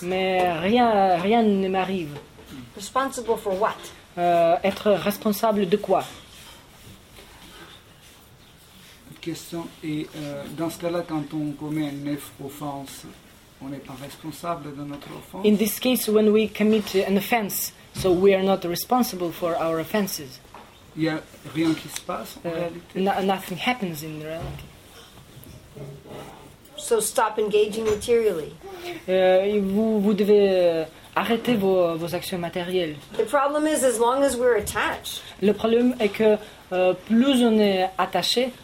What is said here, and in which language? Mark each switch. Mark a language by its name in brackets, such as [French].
[French] Mais rien ne m'arrive. [English] Responsible for what? [French] être responsable de quoi? [English] Question. [French] Et dans ce cas-là, quand on commet une offense, on n'est pas responsable de notre offense? [English] In this case, when we commit an offense, so we are not responsible for our offenses. [French] Il n'y a rien qui se passe en réalité. [English] Nothing happens in reality. So stop engaging materially. [French] Vous devez arrêter vos actions matérielles. [English] The problem is, as long as we're attached. [French] Le problème est que plus on est attaché,